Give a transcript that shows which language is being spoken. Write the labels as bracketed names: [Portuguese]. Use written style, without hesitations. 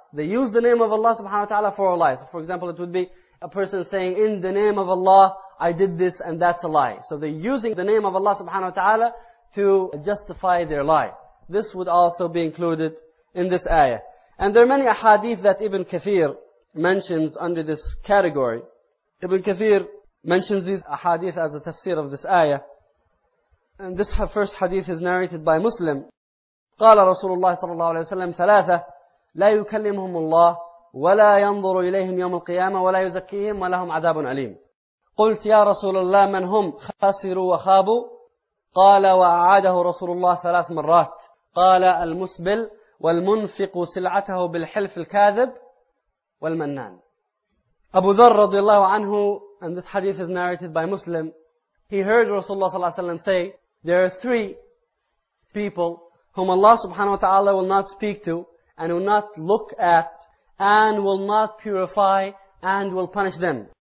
[English] They use the name of Allah subhanahu wa ta'ala for a lie. So for example, it would be a person saying, in the name of Allah, I did this and that's a lie. So they're using the name of Allah subhanahu wa ta'ala to justify their lie. This would also be included in this ayah. And there are many ahadith that Ibn Kathir mentions under this category. Ibn Kathir mentions these ahadith as a tafsir of this ayah. And this first hadith is narrated by Muslim. [Arabic] قال رسول الله صلى الله عليه وسلم ثلاثة لا يكلمهم الله ولا ينظر إليهم يوم القيامة ولا يزكيهم ولهم عذاب أليم. قلت يا رسول الله من هم؟ خسروا وخابوا. قال وأعاده رسول الله 3 مرات. قال المسبل والمنفق سلعته بالحلف الكاذب والمنان. [English] أبو ذر رضي الله عنه, and this hadith is narrated by Muslim, he heard Rasulullah صلى الله عليه وسلم say, there are 3 people whom Allah subhanahu wa ta'ala will not speak to and will not look at and will not purify and will punish them.